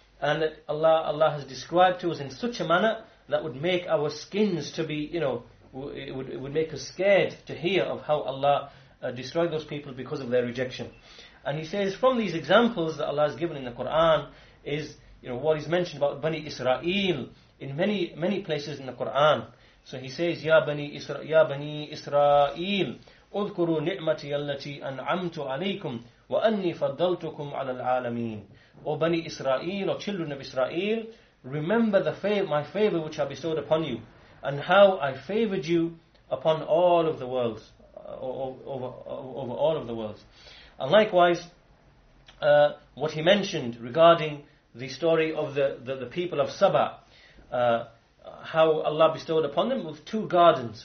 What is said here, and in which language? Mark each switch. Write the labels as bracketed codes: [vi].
[en] And that Allah has described to us in such a manner that would make our skins to be, you know, it would make us scared to hear of how Allah destroyed those people because of their rejection. And he says, from these examples that Allah has given in the Qur'an is, you know, what is mentioned about Bani Israel in many, many places in the Qur'an. So he says, [ar] Ya Bani Israel, اذكروا نعمتي التي أنعمت عليكم وأني فضلتكم على العالمين. [en] O Bani Israel, or children of Israel, remember my favor which I bestowed upon you, and how I favored you upon all of the worlds, over all of the worlds. And likewise, what he mentioned regarding the story of the people of Saba, how Allah bestowed upon them with two gardens.